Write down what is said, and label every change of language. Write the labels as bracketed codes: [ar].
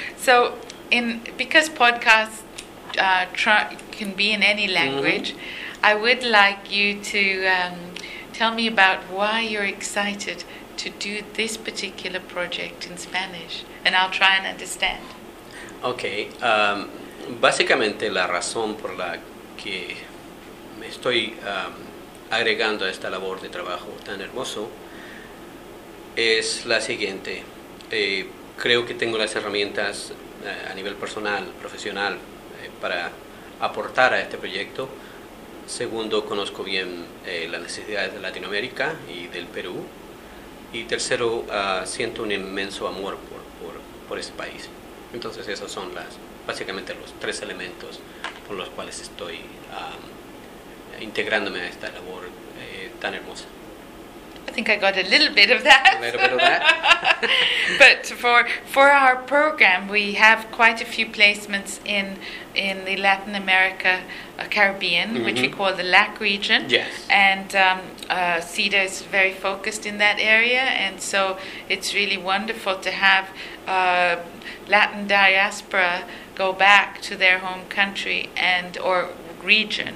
[en] So because podcasts can be in any language, mm-hmm. I would like you to tell me about why you're excited to do this particular project in Spanish, and I'll try and understand. [es] Okay, básicamente la razón por la que me estoy agregando a esta labor de trabajo tan hermoso es la siguiente. Creo que tengo las herramientas a nivel personal, profesional, para aportar a este proyecto. Segundo, conozco bien las necesidades de Latinoamérica y del Perú. Y tercero, siento un inmenso amor por este país. Entonces esos son básicamente los tres elementos por los cuales estoy integrándome a esta labor tan hermosa. [en] I think I got a little bit of that. A little bit of that. But for our program, we have quite a few placements in the Latin America Caribbean, mm-hmm. which we call the LAC region. Yes. And CEDA is very focused in that area, and so it's really wonderful to have Latin diaspora go back to their home country and or region.